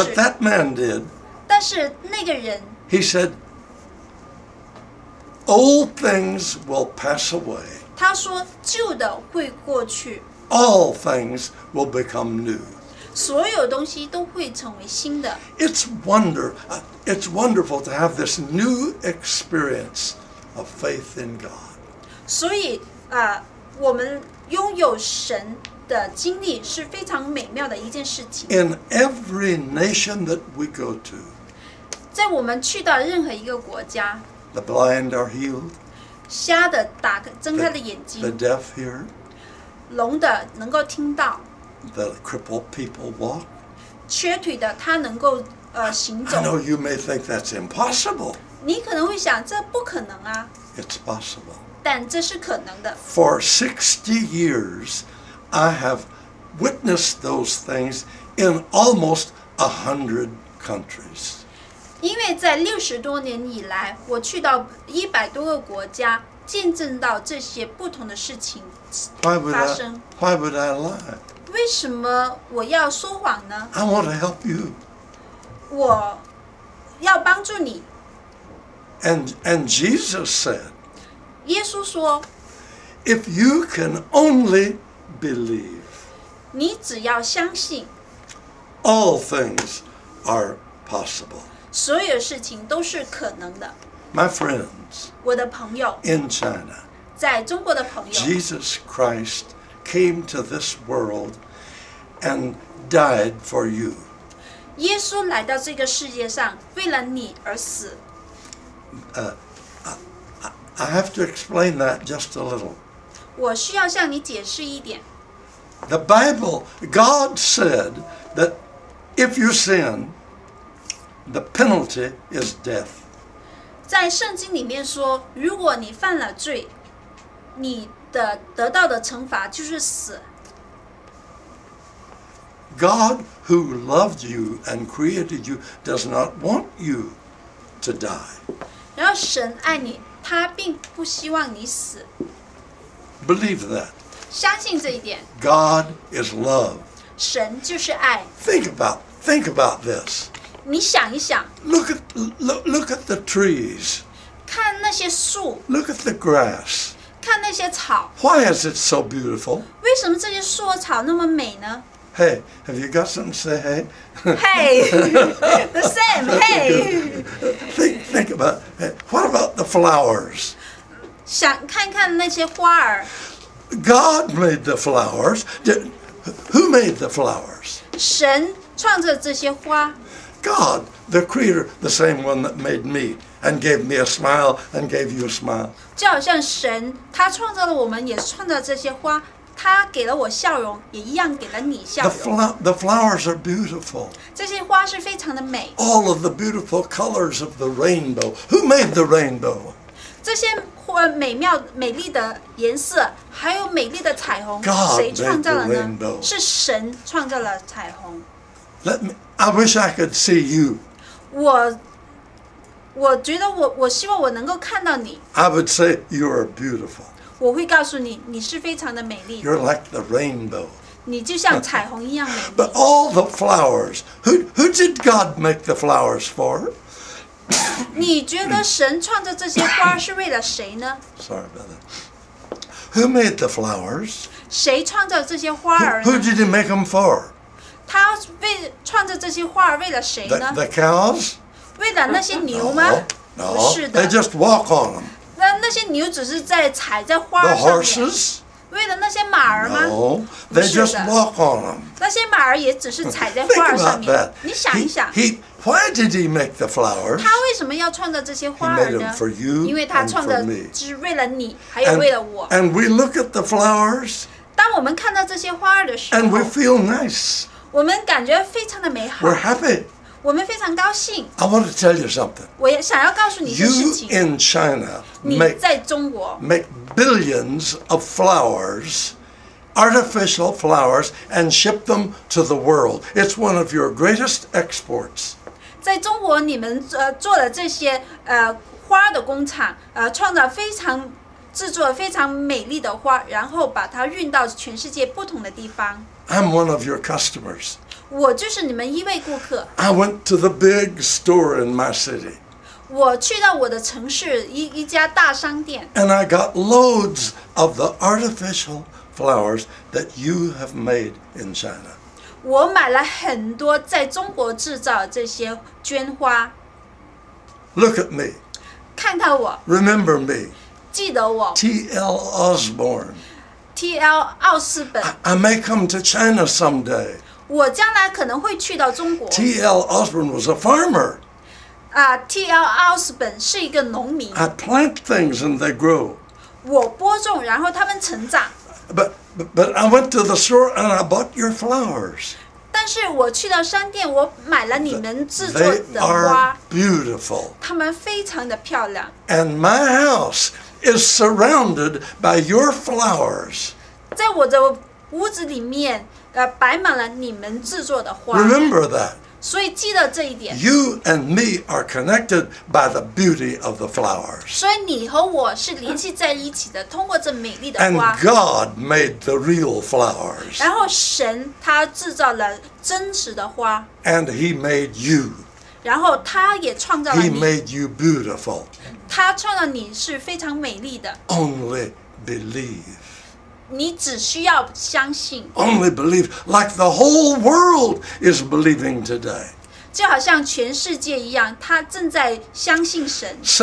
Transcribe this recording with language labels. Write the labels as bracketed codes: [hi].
[en] But that man did. [zh] 但是那个人, [en] he said, old things will pass away. [zh] 他说旧的会过去。 [en] All things will become new. [zh] 所有东西都会成为新的。 [en] It's wonderful to have this new experience of faith in God. [zh] 所以, 我们拥有神的经历是非常美妙的一件事情。 [en] In every nation that we go to, [zh] 在我们去到任何一个国家, [en] the blind are healed, [zh] 瞎的打开睁开了眼睛, [en] the deaf hear, [zh] 聋的能够听到, [en] the crippled people walk, [zh] 瘸腿的他能够, [en] I know you may think that's impossible. [zh] 你可能会想这不可能啊。 [en] It's possible. [zh] 但这是可能的。 [en] For 60 years, I have witnessed those things in almost 100 countries. [zh] 因为在60多年以来, 我去到100多个国家, 见证到这些不同的事情发生。 [en] Why would I lie? [zh] 为什么我要说谎呢？ [en] I want to help you. [zh] 我要帮助你。 [en] And Jesus said, [zh] 耶稣说， [en] If you can only believe, [zh] 你只要相信， [en] all things are possible. [zh] 所有事情都是可能的。 [en] My friends, [zh] 我的朋友， [en] in China, [zh] 在中国的朋友， [en] Jesus Christ came to this world and died for you. [zh] 耶稣来到这个世界上，为了你而死。 [en] I have to explain that just a little. [zh] 我需要向你解释一点。 [en] The Bible, God said that if you sin, the penalty is death. [zh] 在圣经里面说，如果你犯了罪，你的得到的惩罚就是死。 [en] God who loved you and created you does not want you to die. [zh] 然后神爱你，他并不希望你死。 [en] Believe that. [zh] 相信这一点。 [en] God is love. [zh] 神就是爱。 [en] Think about this. [zh] 你想一想。 [en] Look at the trees. [zh] 看那些树。 [en] Look at the grass. [zh] 看那些草。 [en] Why is it so beautiful? [zh] 为什么这些树草那么美呢？ [en] Hey, have you got something to say? Hey, hey, the same. Hey, think about it. What about the flowers? [zh] 想看看那些花儿。 [en] God made the flowers. Who made the flowers? [zh] 神创造这些花。 [en] God, the Creator, the same one that made me and gave me a smile and gave you a smile. [zh] 就好像神，他创造了我们，也创造这些花。他给了我笑容，也一样给了你笑容。 [en] The flowers are beautiful. [zh] 这些花是非常的美。 [en] All of the beautiful colors of the rainbow. Who made the rainbow? [zh] 这些美妙美丽的颜色，还有美丽的彩虹， [en] God、 [zh] 谁创造了呢？ [en] Rainbow. [zh] 是神创造了彩虹。 [en] I wish I could see you. [zh] 我觉得我希望我能够看到你。 [en] I would say you are beautiful. [zh] 我会告诉你，你是非常的美丽。 [en] You're like the rainbow. [zh] 你就像彩虹一样美丽。 [en] But all the flowers, who did God make the flowers for? [zh] 你觉得神创造这些花是为了谁呢？ [en] Sorry about that. Who made the flowers? [zh] 谁创造这些花儿呢？ [en] Who did he make them for? [zh] 他为创造这些花儿为了谁呢？ [en] The cows? [zh] 为了那些牛吗？ [en] No, no. They just walk on them. [zh] 那些牛只是在踩在花上面。 [en] The horses? [zh] 为了那些马儿吗？ [en] No, they just walk on them. [zh] 那些马儿也只是踩在花上面。 [en] Think about that. [zh] 你想一想。 [en] Why did he make the flowers? [zh] 他为什么要创造这些花儿呢？ [en] He made them for you and for me. [zh] 因为他创造只是为了你，还有为了我。 [en] And we look at the flowers. [zh] 当我们看到这些花儿的时候。 [en] And we feel nice. [zh] 我们感觉非常的美好。 [en] We're happy. [zh] 我们非常高兴。 [en] I want to tell you something. [zh] 我想要告诉你一件事情。 [en] You in China make billions of flowers, artificial flowers, and ship them to the world. It's one of your greatest exports. [zh] 在中国，你们做了这些花的工厂，创造非常制作非常美丽的花，然后把它运到全世界不同的地方。 [en] I'm one of your customers. [zh] 我就是你们一位顾客。 [en] I went to the big store in my city. [zh] 我去到我的城市一家大商店。 [en] And I got loads of the artificial flowers that you have made in China. [zh] 我买了很多在中国制造这些绢花。 [en] Look at me. [zh] 看看我。 [en] Remember me. [zh] 记得我。 [en] T.L. Osborn. [zh] T.L. 奥斯本。 [en] I may come to China someday. [zh] 我将来可能会去到中国。 [en] T.L. Osborn was a farmer. [zh] T.L. Osborn 是一个农民。 [en] I plant things and they grow. [zh] 我播种，然后它们成长。 [en] But I went to the store and I bought your flowers. [zh] 但是我去到商店，我买了你们制作的花。 [en] They are beautiful. [zh] 它们非常的漂亮。 [en] And my house is surrounded by your flowers. [zh] 在我的屋子里面。摆满了你们制作的花。 [en] Remember that. [zh] 所以记得这一点。 [en] You and me are connected by the beauty of the flowers. [zh] 所以你和我是联系在一起的，通过这美丽的花。 [en] And God made the real flowers. [zh] 然后神他制造了真实的花。 [en] And He made you. [zh] 然后他也创造了你。 [en] He made you beautiful. [zh] 他创造你是非常美丽的。 [en] Only believe. [zh] 你只需要相信。 [en] Only believe, like the whole world is believing today. [zh] 就好像全世界一样，他正在相信神。